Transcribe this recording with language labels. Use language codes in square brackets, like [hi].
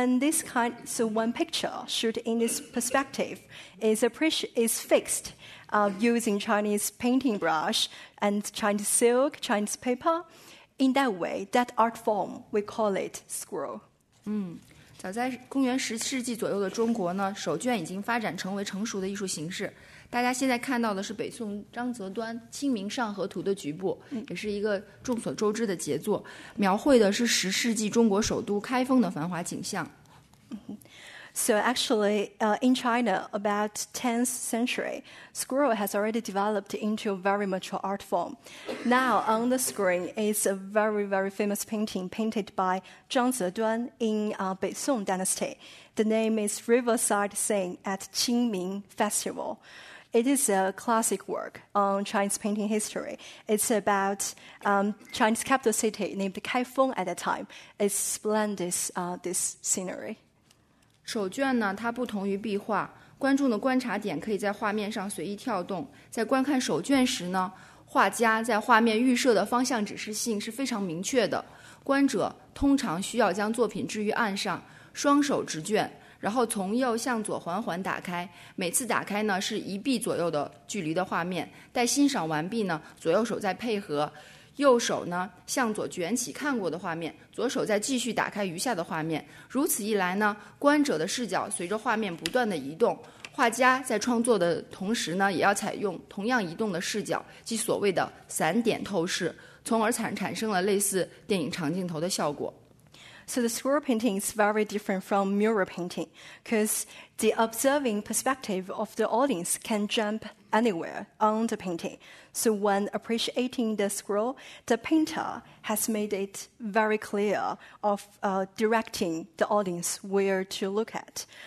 [en] So when picture shoot in this perspective is fixed using Chinese painting brush and Chinese silk, Chinese paper, in that way, that art form, we call it scroll. [zh] 早在公元十世纪左右的中国呢，手卷已经发展成为成熟的艺术形式。大家现在看到的是北宋张择端《清明上河图》的局部，也是一个众所周知的杰作，描绘的是十世纪中国首都开封的繁华景象。 [en] So actually, in China, about 10th century, scroll has already developed into a very mature art form. Now, on the screen is a very, very famous painting painted by Zhang Zeduan in Beisong Dynasty. The name is Riverside Scene at Qingming Festival. It is a classic work on Chinese painting history. It's about Chinese capital city named Kaifeng at that time. It's splendid, this scenery. [zh] 手卷呢，它不同于壁画，观众的观察点可以在画面上随意跳动。在观看手卷时呢，画家在画面预设的方向指示性是非常明确的。观者通常需要将作品置于案上，双手执卷，然后从右向左缓缓打开。每次打开呢，是一臂左右的距离的画面。待欣赏完毕呢，左右手再配合。右手呢向左卷起看过的画面，左手再继续打开余下的画面。如此一来呢，观者的视角随着画面不断的移动，画家在创作的同时呢，也要采用同样移动的视角，即所谓的散点透视，从而产生了类似电影长镜头的效果。 [en] So the scroll painting is very different from mirror painting, because the observing perspective of the audience can jump anywhere on the painting. So when appreciating the scroll, the painter has made it very clear of directing the audience where to look at.